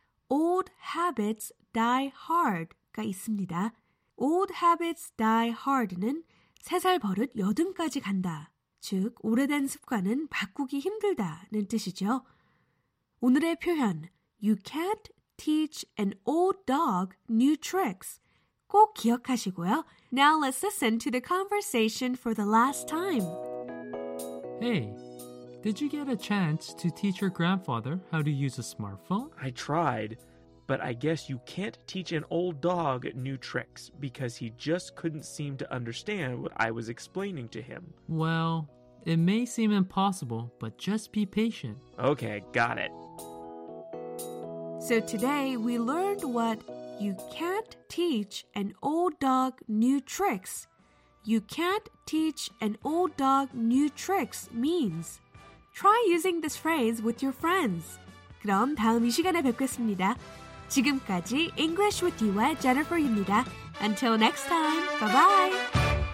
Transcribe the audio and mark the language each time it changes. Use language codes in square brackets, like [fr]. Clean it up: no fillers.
[en] old habits die hard [ko] 가 있습니다. [en] old habits die hard [ko] 는 세 살 버릇 여든까지 간다. 즉, 오래된 습관은 바꾸기 힘들다는 뜻이죠. 오늘의 표현, [en] You can't teach an old dog new tricks. [ko] 꼭 기억하시고요. [en] Now let's listen to the conversation for the last time. Hey, did you get a chance to teach your grandfather how to use a smartphone? I tried, but I guess you can't teach an old dog new tricks because he just couldn't seem to understand what I was explaining to him. Well, it may seem impossible, but just be patient. Okay, got it. So today we learned what you can't teach an old dog new tricks. You can't teach an old dog new tricks means. Try using this phrase with your friends. [ko] 그럼 다음 이 시간에 뵙겠습니다. 지금까지 [en] English with you와 Jennifer입니다. Until next time, bye-bye.